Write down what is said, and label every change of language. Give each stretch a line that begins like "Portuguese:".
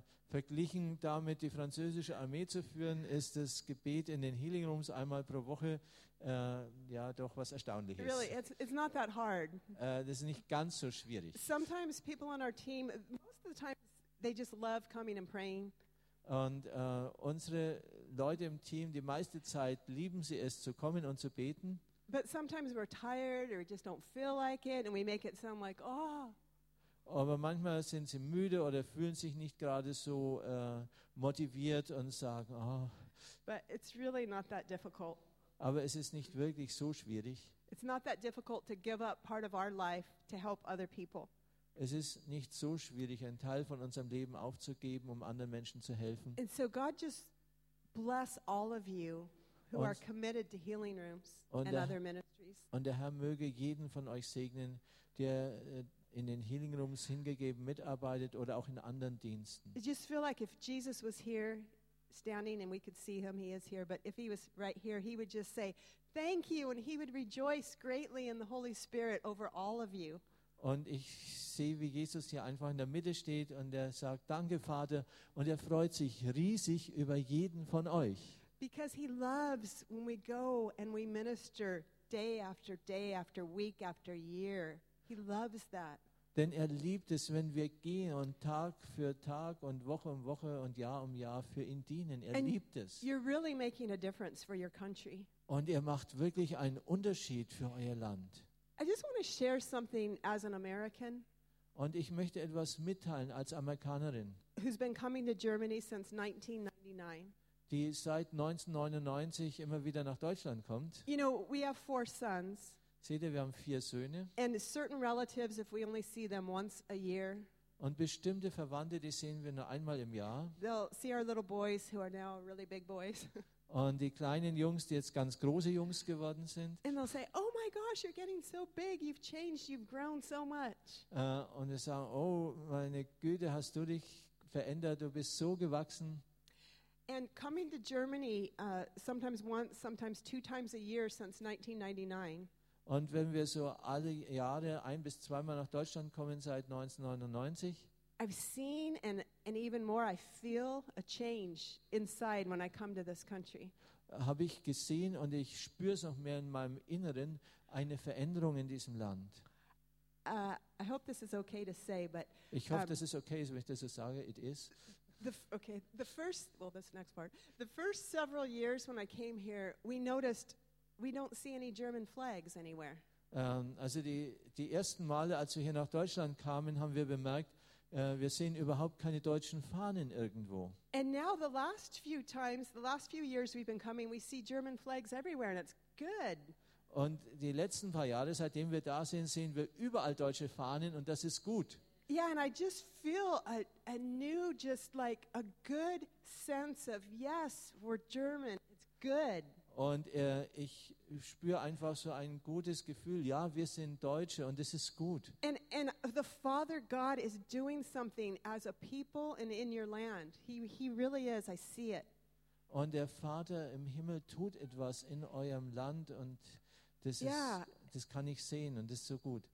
German: Verglichen damit, die französische Armee zu führen, ist das Gebet in den Healing Rooms einmal pro Woche doch was Erstaunliches.
English: Really, it's not that hard.
German: Das ist nicht ganz so schwierig.
English: Sometimes people on our team, most of the time, they just love coming and praying.
German: Und unsere Leute im Team, die meiste Zeit lieben sie es, zu kommen und zu beten.
English: But sometimes we're tired or just don't feel like it and we make it sound like, oh.
German: Aber manchmal sind sie müde oder fühlen sich nicht gerade so motiviert und sagen, oh.
English: But it's really not that difficult.
German: Aber es ist nicht wirklich so schwierig.
English: It's not that difficult to give up part of our life to help other people.
German: Es ist nicht so schwierig, einen Teil von unserem Leben aufzugeben, um anderen Menschen zu helfen.
English: And so God just bless all of you who are committed to healing rooms and other ministries.
German: Und der Herr möge jeden von euch segnen, der in den Healing Rooms hingegeben mitarbeitet oder auch in anderen Diensten.
English: I just feel like if Jesus was here standing and we could see him, he is here, but if he was right here, he would just say thank you and he would rejoice greatly in the Holy Spirit over all of you.
German: Und ich sehe, wie Jesus hier einfach in der Mitte steht und er sagt danke Vater und er freut sich riesig über jeden von euch.
English: Because he loves when we go and we minister day after day after week after year. He loves that.
German: Denn er liebt es, wenn wir gehen und Tag für Tag und Woche um Woche und Jahr um Jahr für ihn dienen. Er
English: and
German: liebt es.
English: You're really making a difference for your country.
German: Und er macht wirklich einen Unterschied für euer Land.
English: I just want to share something as an American.
German: Und ich möchte etwas mitteilen als Amerikanerin.
English: Who's been coming to Germany since 1999.
German: Die seit 1999 immer wieder nach Deutschland kommt.
English: You know, we have four sons.
German: Seht ihr, wir haben vier Söhne.
English: And certain relatives, if we only see them once a year.
German: Und bestimmte Verwandte, die sehen wir nur einmal im Jahr.
English: They'll see our little boys, who are now really big boys.
German: Und die kleinen Jungs, die jetzt ganz große Jungs geworden sind.
English: And they'll say, oh my gosh, you're getting so big, you've changed, you've grown so much.
German: Und sie sagen, oh meine Güte, hast du dich verändert, du bist so gewachsen.
English: And coming to Germany sometimes once, sometimes two times a year since 1999.
German: Und wenn wir so alle Jahre ein bis zweimal nach Deutschland kommen seit 1999.
English: I've seen and even more I feel a change inside when I come to this country.
German: Habe ich gesehen und ich spüre es noch mehr in meinem Inneren, eine Veränderung in diesem Land.
English: I hope this is okay to say, but
German: ich hoffe, das ist okay, wenn ich das so sage,
English: it is. The first several years when I came here, we noticed we don't see any German flags anywhere.
German: Also die ersten Male, als wir hier nach Deutschland kamen, haben wir bemerkt, wir sehen überhaupt keine deutschen Fahnen irgendwo.
English: And now the last few years we've been coming, we see German flags everywhere, and it's good.
German: Und die letzten paar Jahre, seitdem wir da sind, sehen wir überall deutsche Fahnen, und das ist gut.
English: Yeah, and I just feel a new, just like a good sense of, yes, we're German, it's good.
German: Und ich spüre einfach so ein gutes Gefühl, ja, wir sind Deutsche und es ist gut.
English: And the Father God is doing something as a people and in your land. He really is, I see it.
German: Und der Vater im Himmel tut etwas in eurem Land und das
English: yeah.
German: ist... Das kann ich sehen und das ist so gut.